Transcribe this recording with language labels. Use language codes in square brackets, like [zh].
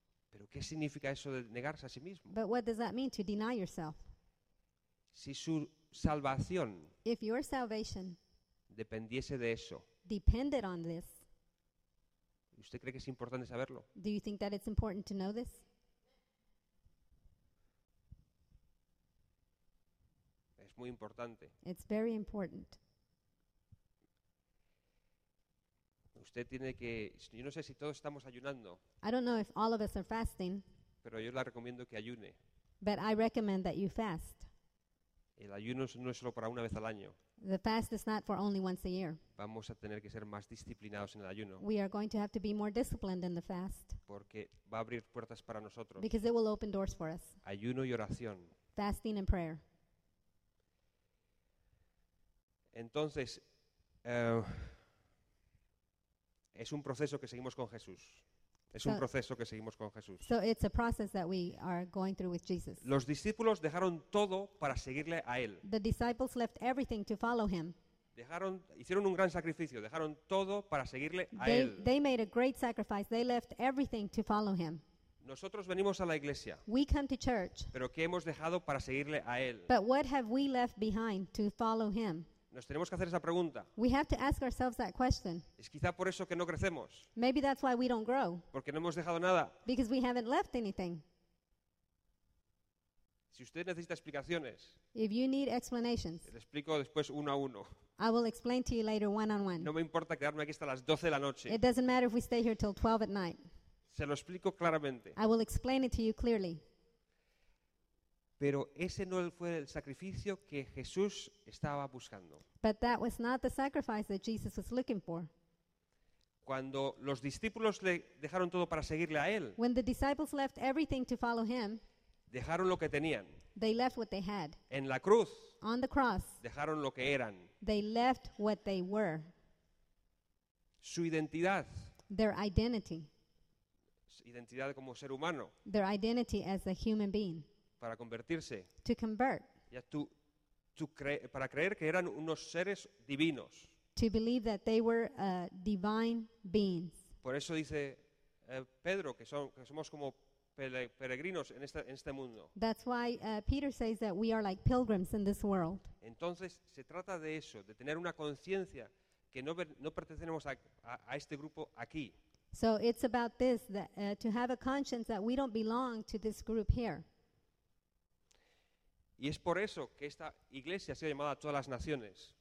[es] ¿Pero qué significa eso de negarse a sí mismo? [en] But what does that mean to deny yourself? [es] Si su salvación, [en] if your salvation, [es] dependiese de eso, [en] depended on this, [es] ¿usted cree que es importante saberlo? [en] Do you think that it's important to know this? [es] Es muy importante. [en] It's very important. [es] Usted tiene que, yo no sé si todos estamos ayunando. [en] I don't know if all of us are fasting. [es] Pero yo le recomiendo que ayune. [en] But I recommend that you fast. [es] El ayuno no es solo para una vez al año. [en] The fast is not for only once a year. [es] Vamos a tener que ser más disciplinados en el ayuno. [en] We are going to have to be more disciplined in the fast. [es] Porque va a abrir puertas para nosotros. [en] Because it will open doors for us. [es] Ayuno y oración. [en] Fasting and prayer. [es] Entonces, es un proceso que seguimos con Jesús. [en] So it's a process that we are going through with Jesus. [es] Los discípulos dejaron todo para seguirle a él. [en] The disciples left everything to follow him. [es] Hicieron un gran sacrificio, dejaron todo para seguirle a él. [en] They made a great sacrifice. They left everything to follow him. [es] Nosotros venimos a la iglesia. [en] We come to church. [es] Pero ¿qué hemos dejado para seguirle a él? [en] But what have we left behind to follow him? [es] Nos tenemos que hacer esa pregunta. [en] We have to ask ourselves that question. [es] Es quizá por eso que no crecemos. [en] Maybe that's why we don't grow. [es] Porque no hemos dejado nada. [en] Because we haven't left anything. [es] Si usted necesita explicaciones, [en] if you need explanations, [es] le explico después uno a uno. [en] I will explain to you later one on one. [es] No me importa quedarme aquí hasta las 12 de la noche. [en] It doesn't matter if we stay here till 12 at night. [es] Se lo explico claramente. [en] I will explain it to you clearly. [es] Pero ese no fue el sacrificio que Jesús estaba buscando. [en] But that was not the sacrifice that Jesus was looking for. [es] Cuando los discípulos le dejaron todo para seguirle a él, [en] when the disciples left everything to follow him, [es] dejaron lo que tenían. [en] They left what they had. [es] En la cruz, [en] on the cross, [es] dejaron lo que eran. [en] They left what they were. [es] Su identidad. [en] Their identity. [es] Identidad como ser humano. [en] Their identity as a human being. [es] Para convertirse. [en] To convert. [es] Ya tu para creer que eran unos seres divinos. [en] To believe that they were divine beings. [es] Por eso dice Pedro que somos como peregrinos en este mundo. [en] That's why Peter says that we are like pilgrims in this world. [es] Entonces se trata de eso, de tener una conciencia que no pertenecemos a este grupo aquí. [en] So it's about this, that, to have a conscience that we don't belong to this group here. [es] Y es por eso que esta iglesia ha sido llamada a todas las naciones.